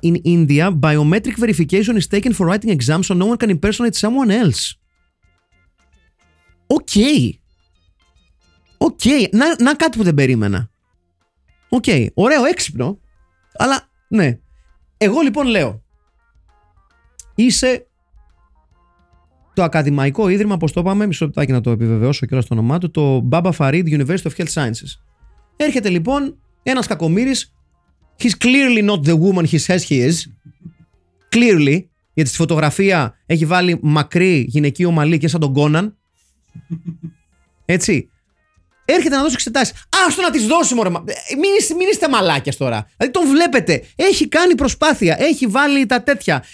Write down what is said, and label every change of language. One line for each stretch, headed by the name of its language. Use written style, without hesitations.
English: In India, biometric verification is taken for writing exams so no one can impersonate someone else. Okay.
Greek: Να κάτι που δεν περίμενα. Okay. Ωραίο, έξυπνο. Αλλά, ναι. Εγώ λοιπόν λέω. Είσαι το ακαδημαϊκό ίδρυμα, όπως το είπαμε, μισό λεπτάκι να το επιβεβαιώσω κιόλας το όνομά του, το Baba Farid University of Health Sciences. Έρχεται λοιπόν ένας κακομύρης.
English: He's clearly not the woman he says he is. Clearly.
Greek: Γιατί στη φωτογραφία έχει βάλει μακρύ γυναική ομαλή και σαν τον Conan. Έτσι. Έρχεται να δώσει εξετάσεις. Άστο να τις δώσει, μωρέ. Μην είστε μαλάκες τώρα. Δηλαδή τον βλέπετε. Έχει κάνει προσπάθεια. Έχει βάλει τα τέτοια.